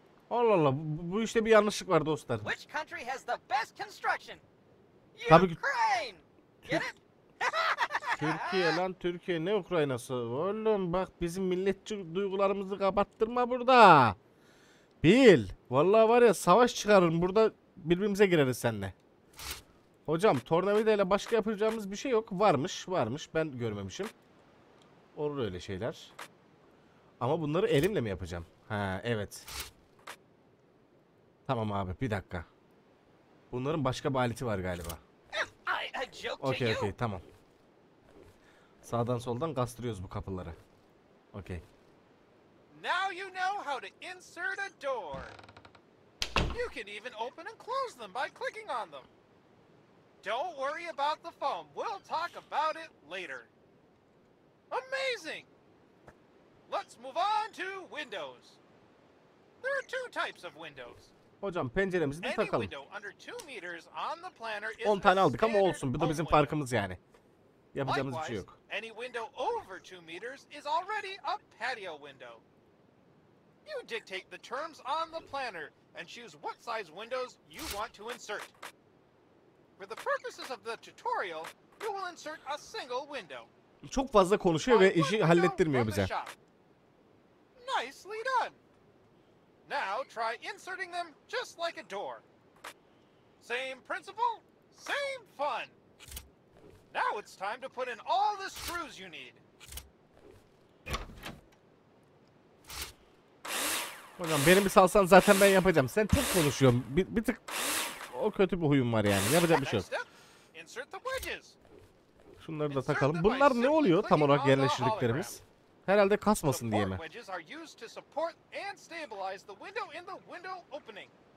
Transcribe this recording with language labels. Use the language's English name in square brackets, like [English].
[Turkish] Allah Allah, bu işte bir yanlışlık var dostlar. [English] Which country has the best construction? [Turkish] Tabii [English] Ukraine. Get it? [Turkish] Türkiye lan, Türkiye ne Ukrayna'sı? Oğlum bak, bizim milletçi duygularımızı kapattırma burada. Bil. Vallahi var ya, savaş çıkarırım burada, birbirimize gireriz seninle. Hocam, tornavida ile başka yapacağımız bir şey yok. Varmış. Ben görmemişim. Olur öyle şeyler. Ama bunları elimle mi yapacağım? Ha, evet. Tamam abi, bir dakika. Bunların başka bir aleti var galiba. Okey, tamam. Sağdan soldan kastırıyoruz bu kapıları. Okey. [English] you know how to insert a door. You can even open and close them by clicking on them. Don't worry about the foam. We'll talk about it later. Amazing! Let's move on to windows. There are two types of windows. [Turkish] Hocam penceremizi de takalım. [English] Any window under 2 meters on the planner is [Turkish] 10 tane aldık ama olsun. Bu da bizim farkımız yani. Yapacağımız bir şey yok. [English] Any window over 2 meters is already a patio window. You dictate the terms on the planner and choose what size windows you want to insert. For the purposes of the tutorial, you will insert a single window. [Turkish] Çok fazla konuşuyor ve işi hallettirmiyor bize. [English] Nicely done. Now try inserting them just like a door. Same principle, same fun. Now it's time to put in all the screws you need. [Turkish] Hocam beni bir salsan zaten ben yapacağım. Sen çok konuşuyorsun. Bir tık o kötü bir huyum var yani. Yapacak bir şey yok. [English] Insert the wedges. [Turkish] Şunları da takalım. Bunlar ne oluyor tam olarak yerleştirdiklerimiz? Herhalde kasmasın diye mi? [English] Wedges are used to support and stabilize the window in the window opening.